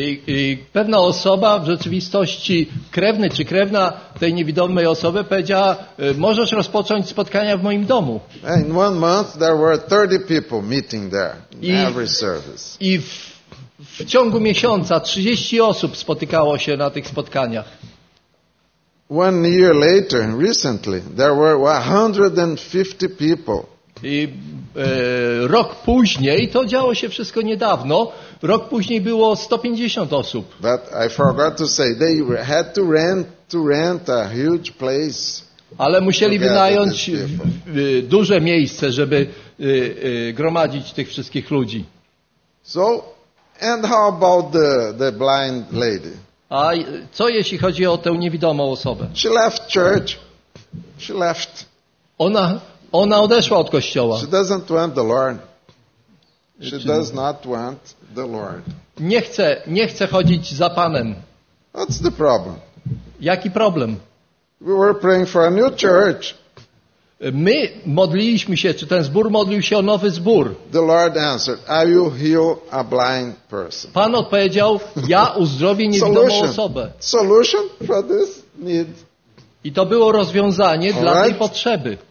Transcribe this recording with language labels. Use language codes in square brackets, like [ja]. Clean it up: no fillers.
[pl] I pewna osoba, w rzeczywistości krewny czy krewna tej niewidomej osoby, powiedziała, możesz rozpocząć spotkania w moim domu. [en] In 1 month there were 30 people meeting there in every service. [pl] I w ciągu miesiąca 30 osób spotykało się na tych spotkaniach. [en] 1 year later, recently, there were 150 people. [pl] I rok później, to działo się wszystko niedawno, rok później było 150 osób. [en] But I forgot to say, they had to rent a huge place. [pl] Ale musieli wynająć duże miejsce, żeby gromadzić tych wszystkich ludzi. [en] So, and how about the blind lady? [pl] A co jeśli chodzi o tę niewidomą osobę? [en] She left church. She left. [pl] Ona odeszła od kościoła. [en] She doesn't want the Lord. She does not want the Lord. [pl] Nie chce chodzić za Panem. [en] What's the problem? [pl] Jaki problem? [en] We were praying for a new church. [pl] My modliliśmy się, czy ten zbór modlił się o nowy zbór. [en] The Lord answered, I will heal a blind person. [pl] Pan odpowiedział, ja uzdrowię niewidomą osobę. [en] Solution for this need. [pl] I to było rozwiązanie dla tej potrzeby.